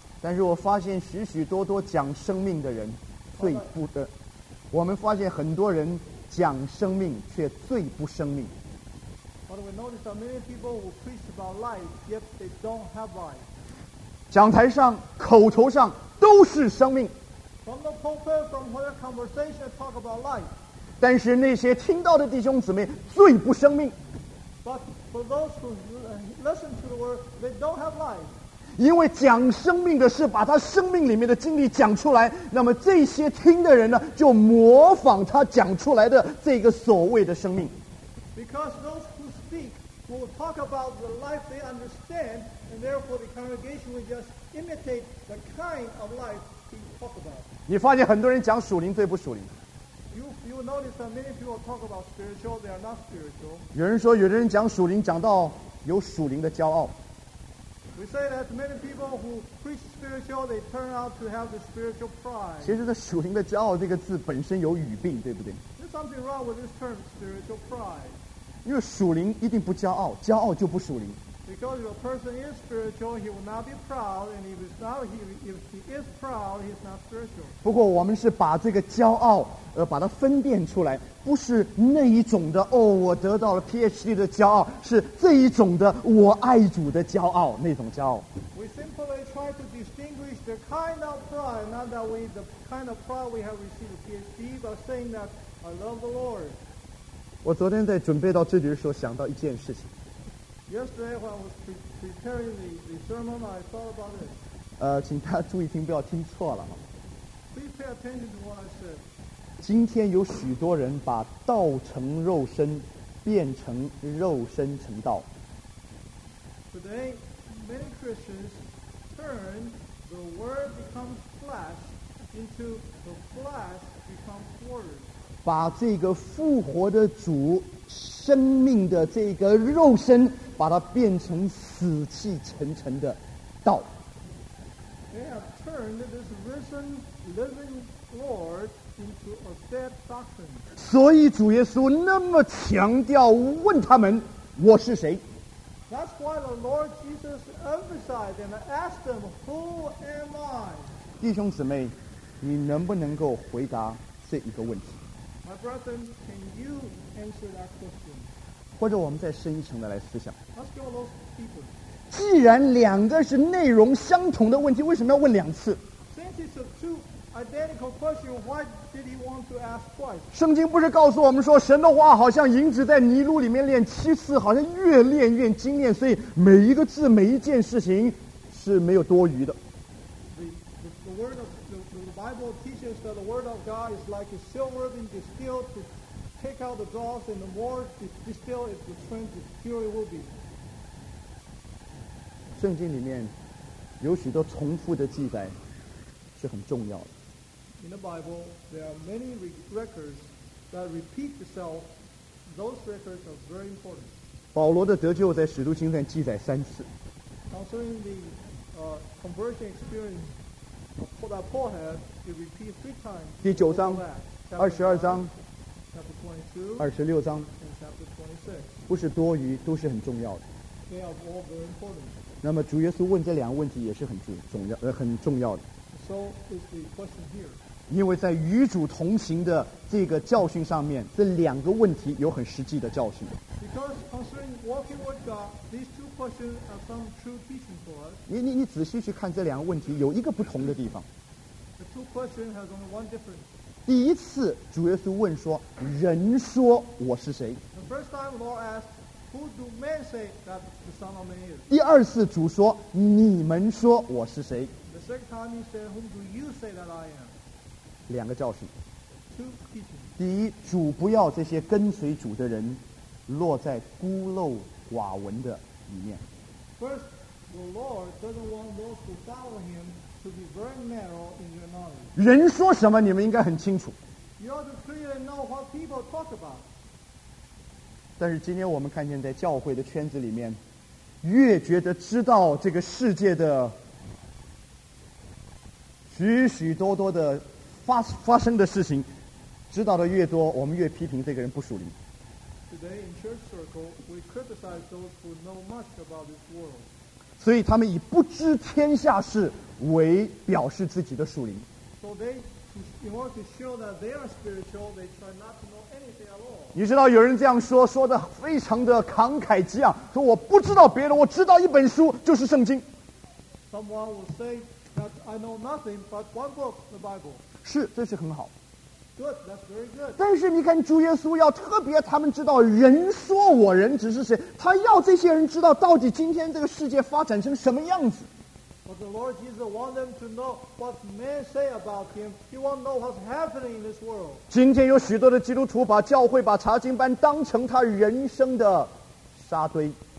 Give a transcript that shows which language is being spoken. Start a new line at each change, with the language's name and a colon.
Chinese: 但是我发现许许多多讲生命的人最不得，我们发现很多人讲生命却最不生命。
English: But we notice that many people will preach about life, yet they don't have life.
Chinese: 讲台上、口头上都是生命。
English: From the pulpit, from where conversation talk about life.
Chinese: 但是那些听到的弟兄姊妹最不生命。
English: But for those who listen to the word, they don't have life.
Chinese: 因为讲生命的是把他生命里面的经历讲出来，那么这些听的人呢，就模仿他讲出来的这个所谓的生命。
English: Because those who speak will talk about the life they understand, and therefore the congregation will just imitate the kind of life he talk about.
Chinese: 你发现很多人讲属灵最不属灵。
English: You notice that many people talk about spiritual, they are not spiritual.
Chinese: 有人说，有的人讲属灵讲到有属灵的骄傲。
English: We say that many people who preach spiritual, they turn out to have the spiritual pride.
Chinese: 其实这属灵的骄傲这个字本身有语病，对不对？
English: There's something wrong with this term, spiritual pride.
Chinese: 因为属灵一定不骄傲，骄傲就不属灵。
English: Because if a person is spiritual, he will not be proud, and if he is proud, he's not spiritual.
Chinese: 不过我们是把这个骄傲把它分辨出来，不是那一种的哦，我得到了 PhD 的骄傲，是这一种的我爱主的骄傲，那种骄傲。
English: We simply try to distinguish the kind of pride, not that we the kind of pride we have received a PhD, but saying that I love the Lord.
Chinese: 我昨天在准备到这里的时候，想到一件事情。
English: Yesterday, when I was preparing the sermon, I thought about it.
Chinese: 请大家注意听，不要听错了。
English: Please pay attention to what I said.
Chinese: 今天有许多人把道成肉身变成肉身成道。
English: Today, many Christians turn the word becomes flesh into the flesh becomes word.
Chinese: 把这个复活的主生命的这个肉身把它变成死气沉沉的道。
English: They have turned this risen living Lord into a dead doctrine.
Chinese: 所以主耶稣那么强调问他们，我是谁。
English: That's why the Lord Jesus emphasized and asked them, who am I?
Chinese: 弟兄姊妹，你能不能够回答这一个问题？
English: My brethren, can you answer that question?
Chinese: 或者我们再深一层的来思想。
English: Let's go to those people.
Chinese: 既然两个是内容相同的问题，为什么要问两次？
English: Since it's a two identical question, why did he want to ask twice?
Chinese: 圣经不是告诉我们说，神的话好像银子在泥炉里面炼七次，好像越炼越精炼，所以每一个字、每一件事情是没有多余的。
English: The word of the Bible teaches that the word of God is like a silver being distilled to. Take out the dross, and the more distilled it, the strength is pure it will be.
Chinese: 圣经里面有许多重复的记载是很重要的。
English: In the Bible, there are many records that repeat themselves. Those records are very important.
Chinese: 保罗的得救在使徒行传记载三次。
English: Concerning the conversion experience that Paul had, it repeats three times.
Chinese: 第九章、二十二章。
English: 22,
Chinese: 26章
English: 26.
Chinese: 不是多余，都是很重要的。
English: They are all very important.
Chinese: 那么主耶稣问这两个问题也是很重要的。
English: So is the question here.
Chinese: 因为在与主同行的这个教训上面，这两个问题有很实际的教训。
English: Because concerning walking with God, these two questions are some true teaching for us.
Chinese: 你仔细去看这两个问题，有一个不同的地方。
English: The two questions have only one difference.
Chinese: 第一次主耶稣问说，人说我是谁。
English: The first time Lord asked, who do men say that the Son of Man is?
Chinese: 第二次主说，你们说我是谁。
English: The second time he said, whom do you say that I am?
Chinese: 两个教训。
English: Two teachings.
Chinese: 第一，主不要这些跟随主的人落在孤陋寡闻的里面。
English: First, the Lord doesn't want those who follow him. To be very narrow in your knowledge.
Chinese: 人说什么你们应该很清楚。
English: You ought to clearly know what people talk about.
Chinese: 但是今天我们看见在教会的圈子里面，越觉得知道这个世界的许许多多的发生的事情，知道的越多，我们越批评这个人不属灵。
English: Today in church circle, we criticize those who know much about this world.
Chinese: 所以他们以不知天下事为表示自己的属灵。
English: So they, in order to show that they are spiritual, they try not to know anything at all.
Chinese: 你知道有人这样说，说的非常的慷慨激昂，说我不知道别的，我知道一本书就是圣经。
English: Someone will say that I know nothing but one book, the Bible.
Chinese: 是，这是很好。
English: Good, that's very good.
Chinese: 但是你看主耶稣要特别他们知道人说我人只是谁，他要这些人知道到底今天这个世界发展成什么样子。
English: But the Lord Jesus wants them to know what men say about him. He wants to know what's happening in this world.
Chinese: 今天有许多的基督徒把教会把查经班当成他人生的沙堆。